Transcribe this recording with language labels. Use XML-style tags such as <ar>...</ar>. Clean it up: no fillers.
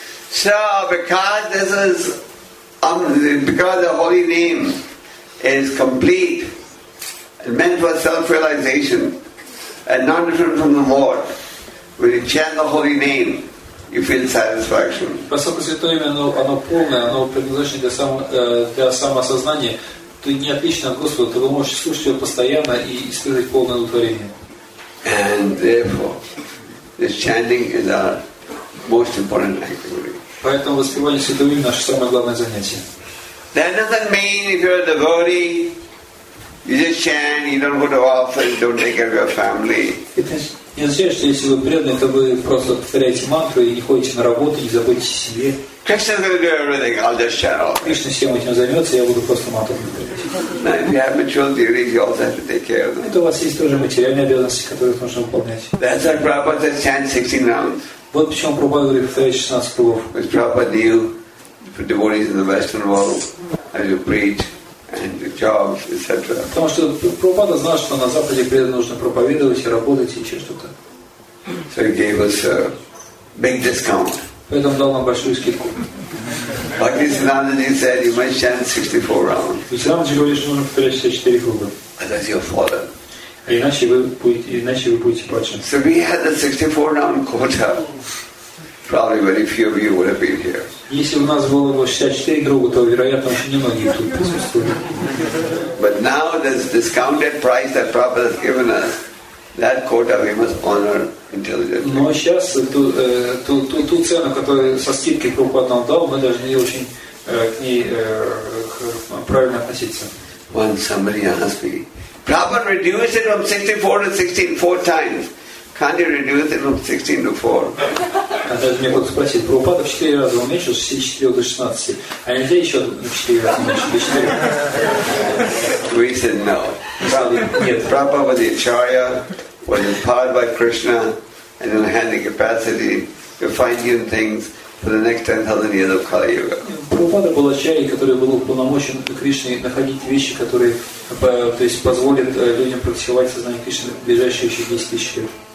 <en>So, because this is because the holy name is complete and meant for self-realization and not different from the Lord, when you chant the holy name, you feel satisfaction.</en> <ru>Поскольку святое имя, оно полное, оно предназначено для самоосознания, то не отлично от Господа, то вы можете слушать его постоянно и испытывать полное удовлетворение.</ru> <en>And therefore, this chanting is our most important activity.</en> <ru>Поэтому воспевание святого имени — наше самое главное занятие.</ru> <en>That doesn't mean if you're a devotee, you just chant, you don't go to office, don't take care of your family.</en> <ru>Не означает, что если вы преданный, то вы просто повторяете мантру и не ходите на работу, не заботитесь о себе.</ru> <en>Krishna will do everything. I'll just chant.</en> <ru>Кришна всем этим займется, я буду просто мантру повторять.</ru> <en>Now, if you have material duties, you also have to take care of them.</en> <ru>Это у вас есть тоже материальные обязанности, которые нужно выполнять.</ru> <en>That's why Prabhupada chants 16 rounds.</en> <ru>Вот почему Прабхупада говорит, повторяйте 16 кругов.</ru> <en>Because Prabhupada knew for devotees in the Western world, as you preach and your jobs, etc.</en> <ru>Потому что Прабхупада знал, что на Западе преданным нужно проповедовать и работать и еще что-то.</ru> <en>So he gave us a big discount.</en> <ru>Поэтому дал нам большую скидку.</ru> <en>Like this Nandini said, you must chant 64 rounds.</en> <ru>Нандини говорит, что нужно повторять 64 круга.</ru> <en>Otherwise you'll fall down.</en> <ru>Иначе вы будете плачать.</ru> <en>So we had the 64-round quota. Probably very few of you would have been here.</en> <ru>Если у нас было 64 круга, то вероятно очень немногие тут присутствовали.</ru> <en>But now this discounted price that Prabhupada has given us, that quota we must honor intelligently.</en> <ru>Но сейчас ту цену, которую со скидкой Прабхупада нам дал, мы должны очень к ней правильно относиться.</ru> <en>When somebody asks me, Prabhupada reduced it from 64 to 16 four times. Can't you reduce it from 16 to 4?</en> <ru>Даже мне кто-то спросит, Прабхупада в 4 раза уменьшил с 64 до 16, а нельзя еще в 4 раза уменьшить до 4?</ru> <en>We said no. Prabhupada was the Acharya, was empowered by Krishna, and in a handy capacity to find new things for the next 10,000 years of Kali Yuga.</en> <ru>Прабхупада был Ачарьей, который был уполномочен Кришной находить вещи, которые то есть позволят людям практиковать сознание Кришны в ближайшие еще 10 тысяч лет.</ru>